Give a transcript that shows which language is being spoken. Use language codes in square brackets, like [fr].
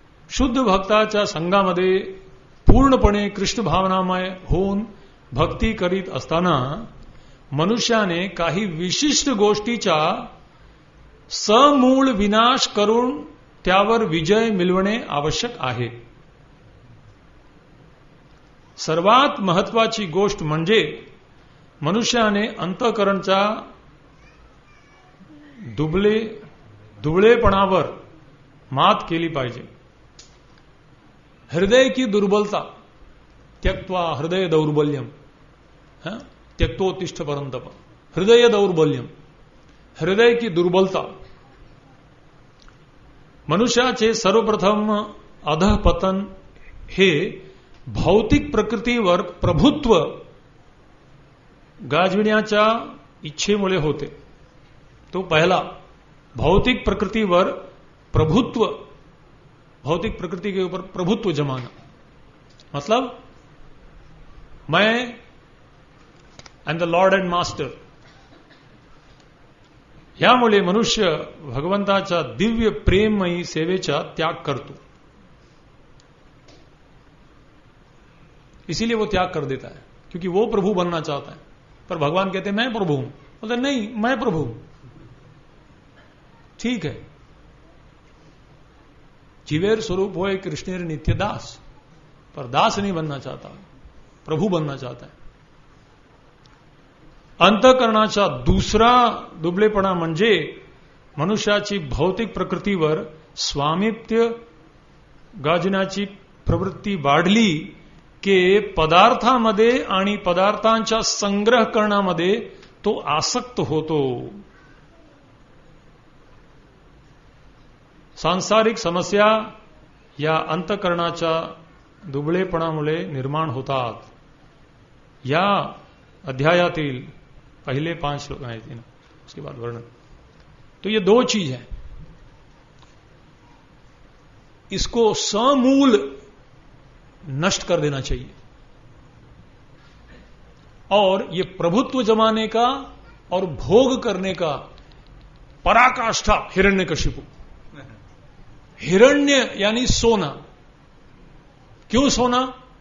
[mr] शुद्ध भक्ताच्या संघामध्ये पूर्णपणे कृष्ण भावनामय होऊन भक्ती करीत असताना मनुष्याने काही विशिष्ट गोष्टीचा समूळ विनाश करून त्यावर विजय मिळवणे आवश्यक आहे. सर्वात महत्त्वाची गोष्ट म्हणजे मनुष्याने अंतःकरणचा दुबळेपणावर मात केली पाहिजे. [hi] हृदय की दुर्बलता, [sa] त्यक्त्वा हृदय दौर्बल्यम, त्यक्तो तिष्ठ परंतप, हृदय दौर्बल्यम, हृदय की दुर्बलता. [mr] मनुष्याचे सर्वप्रथम अधःपतन हे भौतिक प्रकृतीवर प्रभुत्व गाजविण्याच्या इच्छेमुळे होते. तो पहिला भौतिक प्रकृतीवर प्रभुत्व, [hi] भौतिक प्रकृती के ऊपर प्रभुत्व जमाना, मतलब मैं [en] And the lord and master. [mr] यामुळे मनुष्य भगवंताच्या दिव्य प्रेममयी सेवेचा त्याग करतो, [hi] इसीलिए वो त्याग कर देता है, क्योंकि वो प्रभु बनना चाहता है. पर भगवान कहते मैं प्रभु हूं, बोलते नहीं मैं प्रभु हूं. ठीक है, [bn] जीवेर स्वरूप हो कृष्णेर नित्य दास, [hi] पर दास नहीं बनना चाहता, प्रभु बनना चाहता है. [mr] अंतकरणाचा दूसरा दुबलेपणा म्हणजे मनुष्याची भौतिक प्रकृतीवर स्वामित्व गाजण्याची प्रवृत्ती वाढली की पदार्थामध्ये आणि पदार्थांच्या संग्रह करण्यामध्ये तो आसक्त होतो. सांसारिक समस्या या अंतकरणाच्या दुबळेपणामुळे निर्माण होतात. या अध्यायातील पहिले 5 श्लोक आहेत ना, [hi] उसके बाद वर्णन. तो ये दो चीज है, इसको समूल नष्ट कर देना चाहिए. और ये प्रभुत्व जमाने का और भोग करने का पराकाष्ठा हिरण्यकशिपु, हिरण्य यानी सोना. क्यों सोना?